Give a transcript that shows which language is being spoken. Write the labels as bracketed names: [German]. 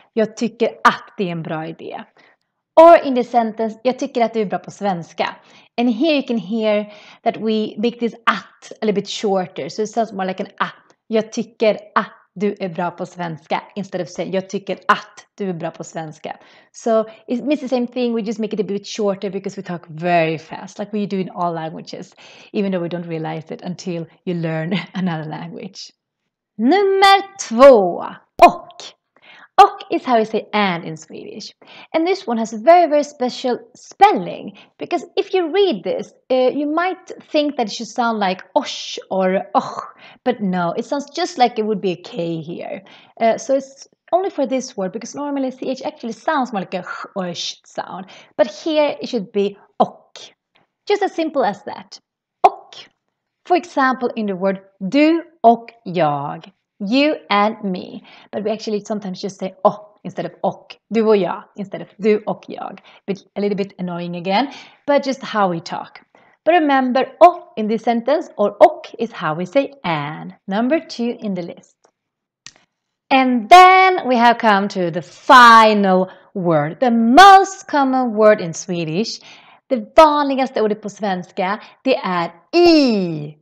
[Swedish] Jag tycker att det är en bra idé. [English] Or in the sentence, [Swedish] jag tycker att det är bra på svenska. [English] And here you can hear that we make this att a little bit shorter. So it sounds more like an att. [Swedish] Jag tycker att du är bra på svenska. [English] Instead of saying, [Swedish] jag tycker att du är bra på svenska. [English] So it means the same thing, we just make it a bit shorter because we talk very fast, like we do in all languages, even though we don't realize it until you learn another language. Number 2, och. Och is how you say and in Swedish. And this one has a very, very special spelling. Because if you read this, you might think that it should sound like osh or och. But no, it sounds just like it would be a K here. So it's only for this word, because normally CH actually sounds more like a sh or a sh sound. But here it should be och. Just as simple as that. Och. For example, in the word [Swedish] du och jag. [English] You and me. But we actually sometimes just say oh instead of och. [Swedish] Du och jag [English] instead of [Swedish] du och jag. [English] A little bit annoying again, but just how we talk. But remember, och in this sentence or och is how we say and. Number 2 in the list. And then we have come to the final word. The most common word in Swedish. [Swedish] Det vanligaste ordet på svenska, det är I.